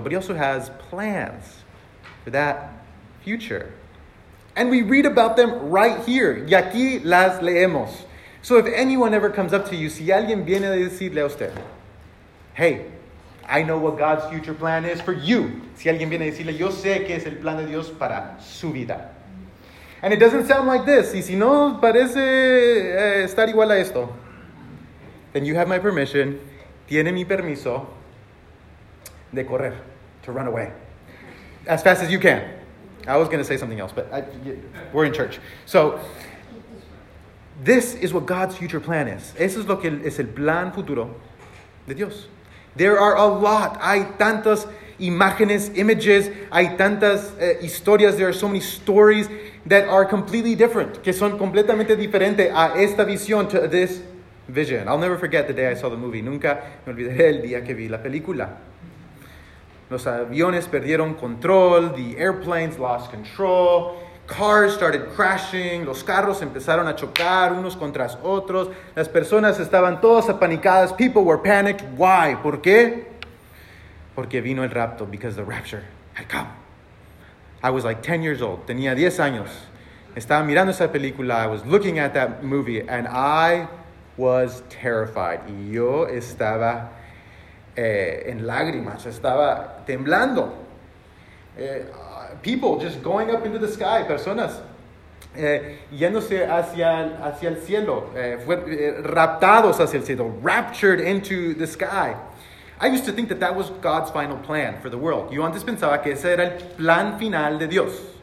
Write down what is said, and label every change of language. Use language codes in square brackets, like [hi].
[en] But he also has plans for that future. And we read about them right here. [es] Y aquí las leemos. [en] So if anyone ever comes up to you, [es] si alguien viene a decirle a usted, [en] "Hey, I know what God's future plan is for you." [es] Si alguien viene a decirle, "Yo sé qué es el plan de Dios para su vida." [en] And it doesn't sound like this. [es] Y si no parece estar igual a esto, [en] then you have my permission, [es] tiene mi permiso, de correr, [en] to run away. As fast as you can. I was going to say something else, but we're in church. So, this is what God's future plan is. [es] Eso es lo que es el plan futuro de Dios. [en] There are a lot. [es] Hay tantas imágenes, [en] images. [es] Hay tantas historias. [en] There are so many stories that are completely different. [es] Que son completamente diferentes a esta visión, [en] to this vision. I'll never forget the day I saw the movie. [es] Nunca me olvidaré el día que vi la película. Los aviones perdieron control. [en] The airplanes lost control. Cars started crashing, [es] los carros empezaron a chocar unos contra otros, las personas estaban todas apanicadas, [en] people were panicked. Why? [es] ¿Por qué? Porque vino el rapto, [en] because the rapture had come. I was like 10 years old, [es] tenía 10 años, estaba mirando esa película, [en] I was looking at that movie, and I was terrified. [es] Y yo estaba en lágrimas, estaba temblando. [en] People just going up into the sky, [es] personas yéndose hacia el cielo, [en] raptados hacia el cielo, raptured into the sky. I used to think that that was God's final plan for the world. [es] Yo antes pensaba que ese era el plan final de Dios.